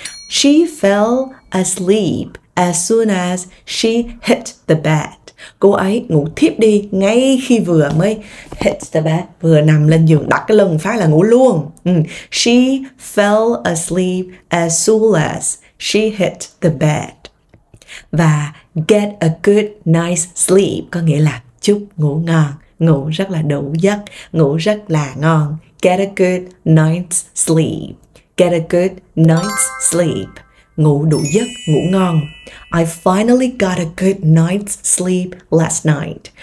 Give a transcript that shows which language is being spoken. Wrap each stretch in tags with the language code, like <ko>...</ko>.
<en>She fell asleep as soon as she hit the bed.</en> <vi>Cô ấy ngủ thiếp đi ngay khi vừa mới hit the bed, vừa nằm lên giường đặt cái lưng phát là ngủ luôn.</vi> <en>She fell asleep as soon as she hit the bed.</en> <vi>Và get a good night's sleep có nghĩa là chúc ngủ ngon, ngủ rất là đủ giấc, ngủ rất là ngon.</vi> <en>Get a good night's sleep. Get a good night's sleep.</en> <vi>Ngủ đủ giấc, ngủ ngon.</vi> <en>I finally got a good night's sleep last night.</en>